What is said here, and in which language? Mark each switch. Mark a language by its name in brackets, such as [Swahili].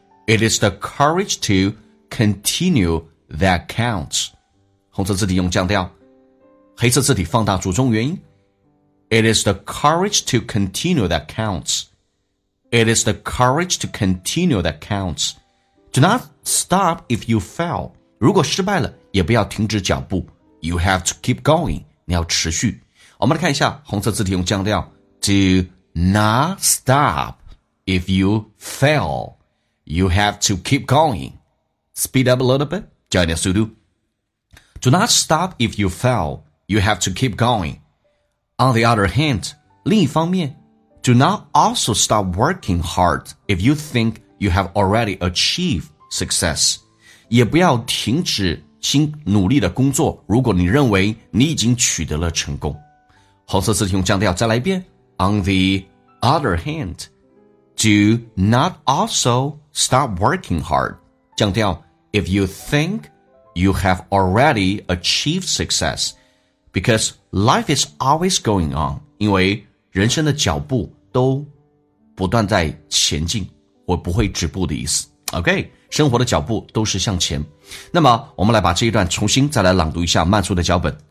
[English] It is the courage to continue that counts. [Chinese] 红色字体用降调，黑色字体放大主重元音 [English] It is the courage to continue that counts. It is the courage to continue that counts. Do not stop if you fail. [Chinese] 如果失败了也不要停止脚步。 [English] You have to keep going. [Chinese] 你要持续。我们来看一下红色字体用降调。 [English] Do not stop if you fail. You have to keep going. Speed up a little bit. [Chinese] 加一点速度。 [English] Do not stop if you fail. You have to keep going. On the other hand, [Chinese] 另一方面， [English] Do not also stop working hard if you think you have already achieved success. [Chinese] 也不要停止新努力的工作，如果你认为你已经取得了成功。红色字体用降调再来一遍。 [English] On the other hand, do not also stop working hard. [Chinese] 降调 [English] if you think you have already achieved success. Because life is always going on. [Chinese] 因为人生的脚步都不断在前进，我不会止步的意思。 OK, 生活的脚步都是向前。那么我们来把这一段重新再来朗读一下慢速的脚本。